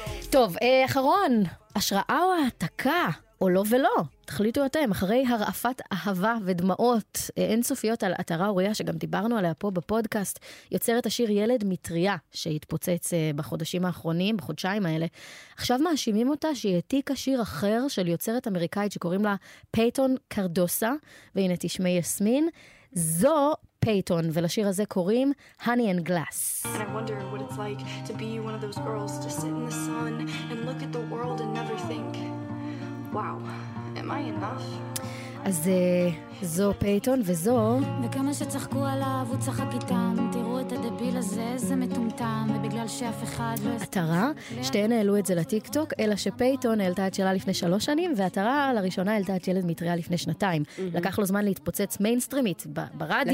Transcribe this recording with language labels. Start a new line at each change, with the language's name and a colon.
Hebrew: טוב, אחרון, השראה או העתקה, או לא ולא, תחליטו אתם, אחרי הרעפת אהבה ודמעות אינסופיות על אתרה אוריה, שגם דיברנו עליה פה בפודקאסט, יוצרת השיר ילד מטריה, שהתפוצץ בחודשים האחרונים, בחודשיים האלה, עכשיו מאשימים אותה שהיא העתיקה שיר אחר של יוצרת אמריקאית שקוראים לה פייטון קרדוסה, והנה תשמעי יסמין, זו Peyton, ולשיר הזה קוראים Honey and Glass.
English: And I wonder what it's like to be one of those girls to sit in the sun and look at the world and never think, wow, am I enough?
Hebrew: אז זו פייטון וזו... וכמה שצחקו עליו, הוא צחק איתם. תראו את הדביל הזה, זה מטומטם. ובגלל שאף אחד לא... אתרה, שתיהן העלו את זה לטיק טוק, אלא שפייטון העלתה את שלה לפני 3 שנים, ואתרה לראשונה העלתה את ילד מטריה לפני 2. לקח לו זמן להתפוצץ מיינסטרימית ברדיו.